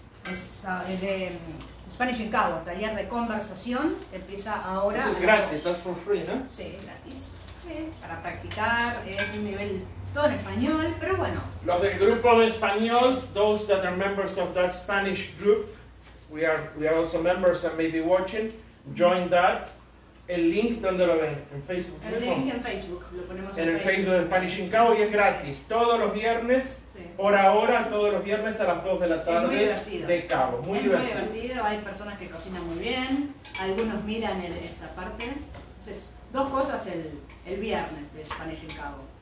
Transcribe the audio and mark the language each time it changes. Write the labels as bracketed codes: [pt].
[es] Es de Spanish in Cabo, taller de conversación. Empieza ahora. Eso es gratis, [en] that's for free, [es] ¿no? Sí, gratis. Para practicar, es un nivel todo en español, pero bueno. Los del grupo en español, [en] those that are members of that Spanish group, we are also members and maybe watching, join that. [es] El link, ¿dónde lo ven? En Facebook. El link en Facebook, lo ponemos en el Facebook de Spanish in Cabo y es gratis. Todos los viernes, sí. Por ahora, todos los viernes a las 2 de la tarde es muy de Cabo. Muy es divertido. Muy divertido, hay personas que cocinan muy bien, algunos miran esta parte. Entonces, dos cosas el viernes de Spanish in Cabo.